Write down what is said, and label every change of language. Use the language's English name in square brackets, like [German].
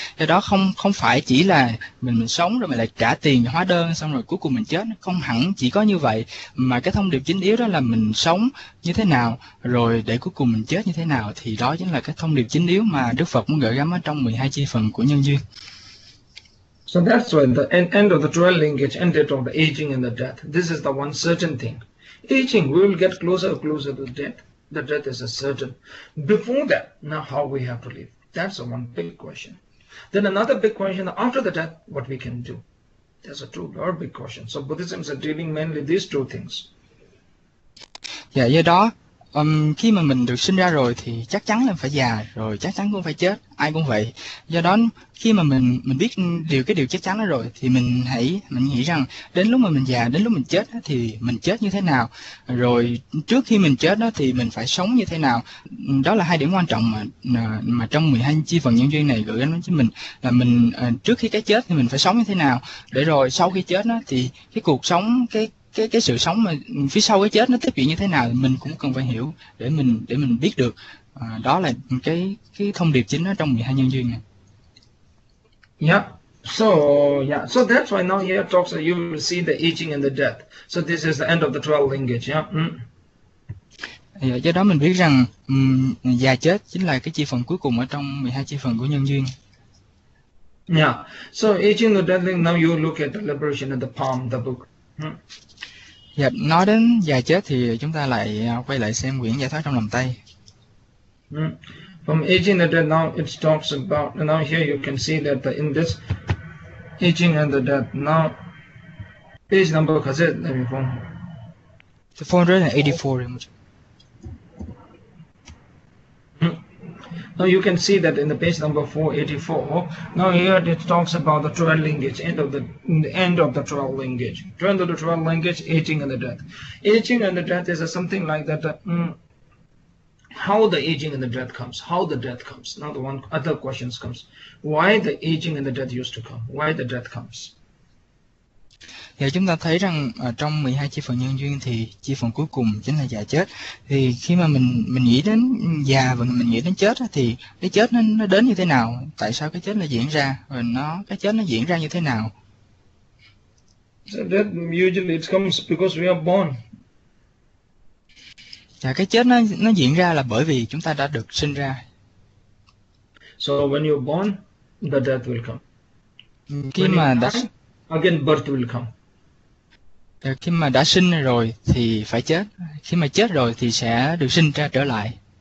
[Vietnamese] Do đó không không phải chỉ là mình sống rồi mình lại trả tiền hóa đơn xong rồi cuối cùng mình chết, không hẳn chỉ có như vậy, mà cái thông điệp chính yếu đó là mình sống như thế nào rồi để cuối cùng mình chết như thế nào, thì đó chính là cái thông điệp chính yếu mà Đức Phật muốn gửi gắm ở trong 12 chi phần của nhân duyên. [English] So that's why the end of the dual linkage ended on the aging and the death. This is the one certain thing. Aging, we will get closer and closer to death. The death is a certain. Before that, now how we have to live? That's the one big question. Then another big question, after the death, what we can do? That's a two very big question. So Buddhism is dealing mainly these two things. [Vietnamese] Dạ, do đó khi mà mình được sinh ra rồi thì chắc chắn là phải già rồi chắc chắn cũng phải chết, ai cũng vậy. Do đó khi mà mình biết điều cái điều chắc chắn đó rồi thì mình nghĩ rằng đến lúc mà mình già, đến lúc mình chết đó, thì mình chết như thế nào, rồi trước khi mình chết đó thì mình phải sống như thế nào. Đó là hai điểm quan trọng mà trong 12 chi phần nhân duyên này gửi đến cho mình, là mình trước khi cái chết thì mình phải sống như thế nào, để rồi sau khi chết đó thì cái cuộc sống, cái sự sống mà phía sau cái chết nó tiếp diễn như thế nào, mình cũng cần phải hiểu để mình biết được. Đó là cái thông điệp chính ở trong 12 nhân duyên này. [English] So that's why now here talks that you will see the aging and the death. So this is the end of the 12 linkage, [Vietnamese] Do đó mình biết rằng già chết chính là cái chi phần cuối cùng ở trong 12 chi phần của nhân duyên. [English] So aging and the death, now you look at the liberation of the palm, the book. [Vietnamese] Dạ, nói đến già chết thì chúng ta lại quay lại xem quyển Giải thoát trong lòng tay. [English] From aging and death, now it talks about, and now here you can see that in this aging and the death, now page number has it, let me phone. The 484 image. Now you can see that in the page number 484, now here it talks about the 12 linkage, end of the 12 linkage, end of the 12 linkage, aging and the death. Aging and the death is something like that. How the aging and the death comes, how the death comes. Now the one other questions comes, why the aging and the death used to come, why the death comes. [Vietnamese] Thì chúng ta thấy rằng trong 12 chi phần nhân duyên thì chi phần cuối cùng chính là già chết. Thì khi mà mình nghĩ đến già và mình nghĩ đến chết thì cái chết nó đến như thế nào? Tại sao cái chết lại diễn ra? Và nó cái chết nó diễn ra như thế nào? [English] So that usually it comes because we are born. [Vietnamese] Và cái chết nó diễn ra là bởi vì chúng ta đã được sinh ra. [English] So when you're born, the death will come. [Vietnamese] Khi [English] When [Vietnamese] mà đã [English] you die, again birth will come. [Vietnamese] Khi mà đã sinh rồi thì phải chết, khi mà chết rồi thì sẽ được sinh ra trở lại.